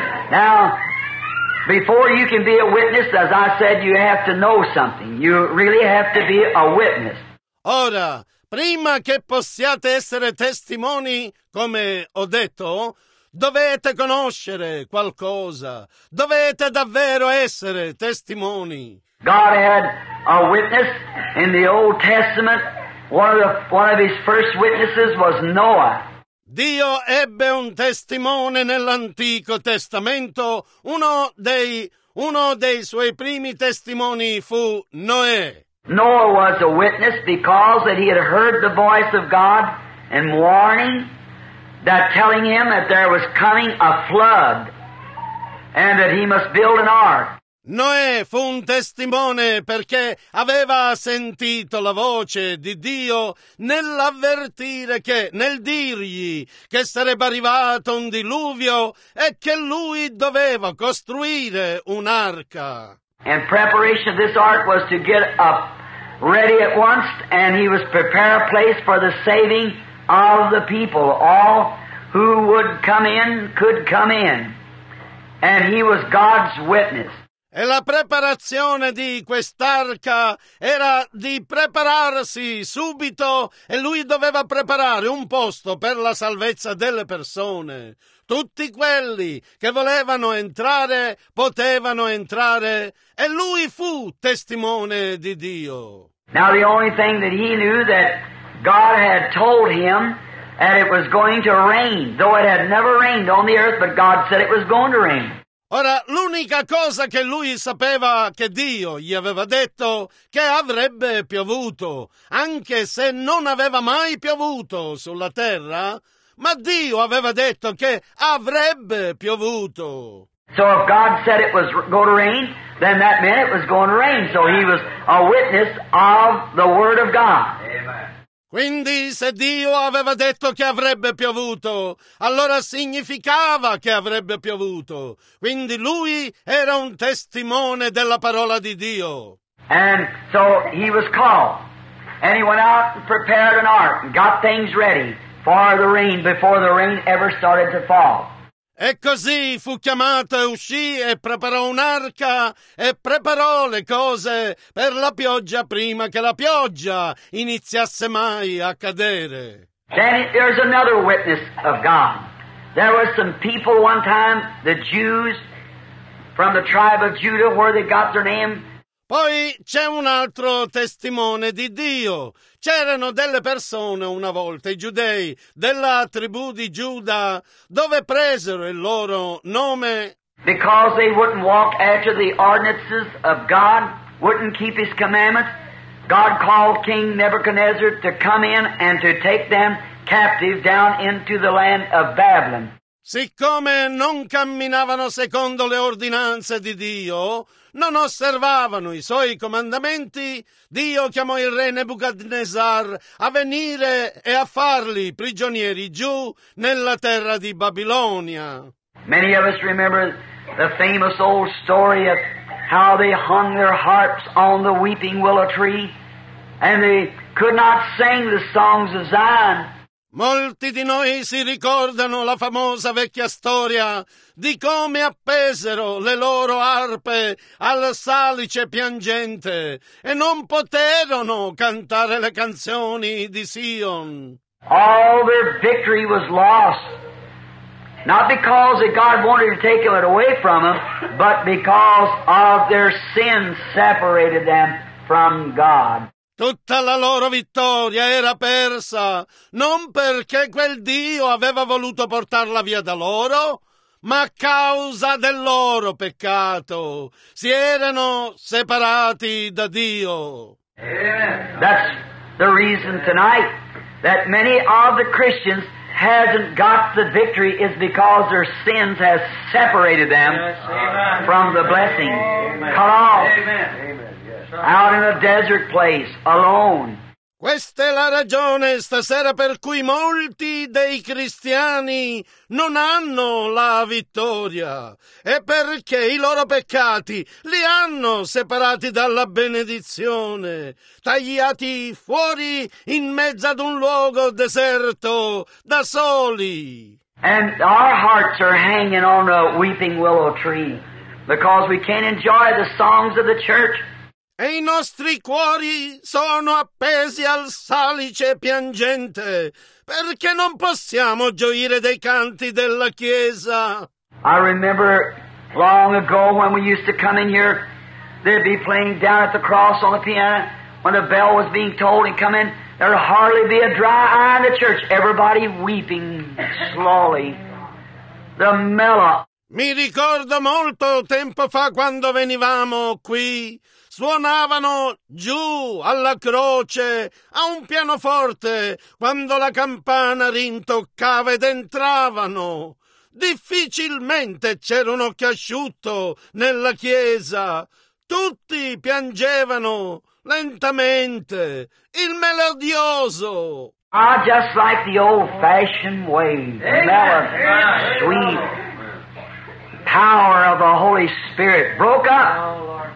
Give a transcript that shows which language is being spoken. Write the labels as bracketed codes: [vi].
[en] Now, before you can be a witness, as I said, you have to know something. You really have to be a witness. [it] Ora, prima che possiate essere testimoni, come ho detto, dovete conoscere qualcosa. Dovete davvero essere testimoni. [en] God had a witness in the Old Testament. One of his first witnesses was Noah. [it] Dio ebbe un testimone nell'Antico Testamento. Uno dei suoi primi testimoni fu Noè. [en] Noah was a witness because that he had heard the voice of God and warning, that telling him that there was coming a flood and that he must build an ark. [it] Noè fu un testimone perché aveva sentito la voce di Dio nell'avvertire che, nel dirgli che sarebbe arrivato un diluvio e che lui doveva costruire un'arca. [en] And preparation of this ark was to get up ready at once, and he was prepare a place for the saving of the people. All who would come in could come in. And he was God's witness. [it] E la preparazione di quest'arca era di prepararsi subito, e lui doveva preparare un posto per la salvezza delle persone. Tutti quelli che volevano entrare potevano entrare, e lui fu testimone di Dio. [en] Now the only thing that he knew that God had told him that it was going to rain, though it had never rained on the earth, but God said it was going to rain. [it] Ora, l'unica cosa che lui sapeva che Dio gli aveva detto che avrebbe piovuto, anche se non aveva mai piovuto sulla terra, ma Dio aveva detto che avrebbe piovuto. [en] So if God said it was going to rain, then that meant it was going to rain. So he was a witness of the word of God. Amen. [it] Quindi se Dio aveva detto che avrebbe piovuto, allora significava che avrebbe piovuto. Quindi lui era un testimone della parola di Dio. [en] And so he was called. And he went out and prepared an ark and got things ready for the rain before the rain ever started to fall. [it] E così fu chiamata e uscì e preparò un'arca e preparò le cose per la pioggia prima che la pioggia iniziasse mai a cadere. [en] Then there's another witness of God. There were some people one time, the Jews from the tribe of Judah, where they got their name. [it] Poi c'è un altro testimone di Dio. C'erano delle persone una volta, i giudei, della tribù di Giuda, dove presero il loro nome. [en] Because they wouldn't walk after the ordinances of God, wouldn't keep his commandments, God called King Nebuchadnezzar to come in and to take them captive down into the land of Babylon. [it] Siccome non camminavano secondo le ordinanze di Dio, non osservavano i suoi comandamenti, Dio chiamò il re Nebuchadnezzar a venire e a farli prigionieri giù nella terra di Babilonia. [en] Many of us remember the famous old story of how they hung their harps on the weeping willow tree and they could not sing the songs of Zion. [it] Molti di noi si ricordano la famosa vecchia storia di come appesero le loro arpe al salice piangente e non poterono cantare le canzoni di Sion. [en] All their victory was lost, not because that God wanted to take it away from them, but because of their sin separated them from God. [it] Tutta la loro vittoria era persa, non perché quel Dio aveva voluto portarla via da loro, ma a causa del loro peccato. Si erano separati da Dio. [en] That's the reason tonight that many of the Christians hasn't got the victory is because their sins have separated them from the blessing. Cut off. Out in a desert place, alone. [it] Questa è la ragione stasera per cui molti dei cristiani non hanno la vittoria. È perché i loro peccati li hanno separati dalla benedizione, tagliati fuori in mezzo ad un luogo deserto, da soli. [en] And our hearts are hanging on a weeping willow tree because we can't enjoy the songs of the church. [it] E i nostri cuori sono appesi al salice piangente, perché non possiamo gioire dei canti della Chiesa. [en] I remember long ago when we used to come in here, they'd be playing down at the cross on the piano, when the bell was being tolled and come in, there'd hardly be a dry eye in the church, everybody weeping slowly. The mellow. [it] Mi ricordo molto tempo fa quando venivamo qui, suonavano giù alla croce, a un pianoforte, quando la campana rintoccava ed entravano. Difficilmente c'era un occhio asciutto nella chiesa. Tutti piangevano lentamente, il melodioso. [en] I just like the old-fashioned way, the melody, sweet power of the Holy Spirit broke up.